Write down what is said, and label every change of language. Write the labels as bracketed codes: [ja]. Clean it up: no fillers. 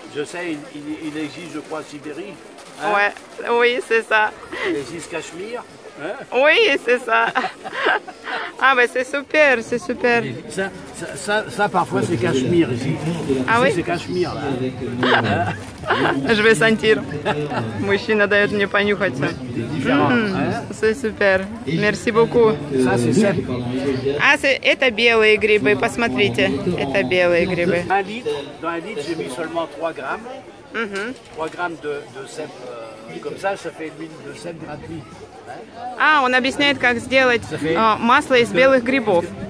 [fr] Je sais, il existe, je crois, Sibérie. Hein? Ouais, oui, c'est ça. Il existe Cachemire. Oui, c'est ça. Ah ben c'est super, c'est super. Ça parfois c'est cachemire ici. Ah ici, oui, c'est cachemire là. Je vais sentir. [ru] Мужчина дает мне понюхать. [fr] Mm, c'est super. Merci beaucoup. Ça c'est ça. [ru] Ah, это белые грибы, посмотрите. Это белые грибы. [fr] Dans un litre, j'ai mis seulement 3 grammes. Mm-hmm. 3 grammes de cèpe. Comme ça fait l'huile de cèpe gratuite. [ru] А, он объясняет, как сделать масло из белых грибов.